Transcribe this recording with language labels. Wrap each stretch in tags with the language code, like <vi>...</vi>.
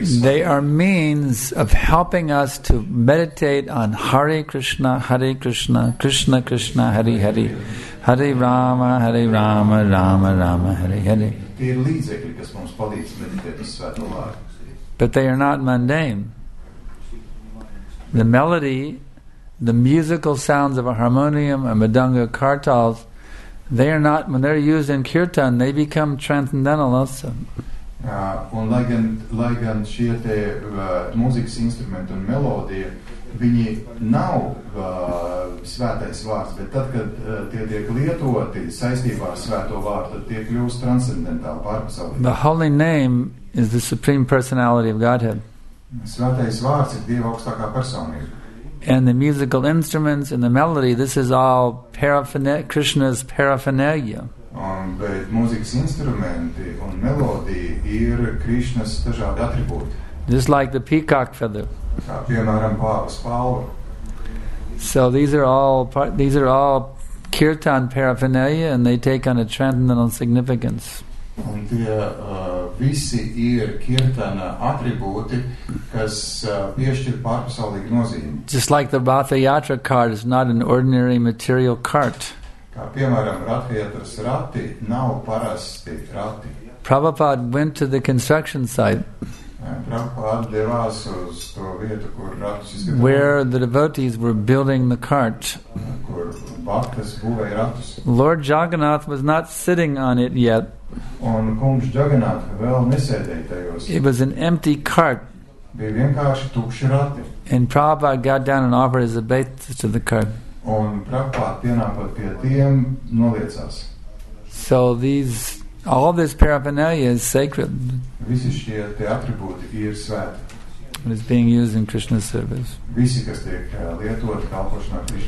<en>They are means of helping us to meditate on Hare Krishna, Hare Krishna, Krishna Krishna, Hare Hare, Hare Rama, Hare Rama, Rama Rama, Hare Hare.</en> <lv>Tie ir līdzekļi, kas mums palīdz meditēt uz svēto vārdu.</lv> <en>But they are not mundane. The melody, the musical sounds of a harmonium, a madanga, kartals, they are not, when they're used in kirtan, they become transcendental also.</en> <lv>Un lai gan šie te mūzikas instrumenti un melodija, viņi nav svētais vārds, bet tad, kad tie tiek lietoti saistībā ar svēto vārdu, tad tie kļūst transcendentāli pārpasaulīgi.</lv> <en>The holy name is the supreme personality of Godhead.</en> <lv>Svētais vārds ir Dieva augstākā personība.</lv> <en>And the musical instruments and the melody, this is all Krishna's paraphernalia.</en> <lv>Bet mūzikas instrumenti un melodija ir Krishna's dažādi atributi.</lv> <en>Just like the peacock feather.</en> <lv>Kā piemēram pavas palva.</lv> <en>So these are all kirtan paraphernalia, and they take on a transcendental significance.</en> <lv>Un tie visi ir kirtana atribūti, kas piešķir pārpasaulīgu nozīmi.</lv> <en>Just like the Ratha Yatra cart is not an ordinary material cart.</en> <lv>Kā piemēram, Ratha Yatras rati nav parasti rati.</lv> <en>Prabhupāda went to the construction site.</en> <lv>Prabhupāda devās uz to vietu, kur ratus izgatavoja.</lv> <en>Where the devotees were building the cart.</en> <lv>Kur bhaktas būvēja ratus.</lv> <en>Lord Jagannath was not sitting on it yet.</en> <lv>Un kungs Jagannath vēl nesēdēja tajos.</lv> <en>It was an empty cart.</en> <lv>Bija vienkārši tukši rati.</lv> <en>And Prabhupāda got down and offered his obeisances to the cart.</en> <lv>Un Prabhupāda pienāpot pie tiem noliecās.</lv> <en>So these... All this paraphernalia is sacred.</en> <lv>Visi šie te atributi ir svēti.</lv> <en>And it's being used in Krishna's service.</en> <lv>Visi, kas tiek lietot kalpošanā Krishna.</lv>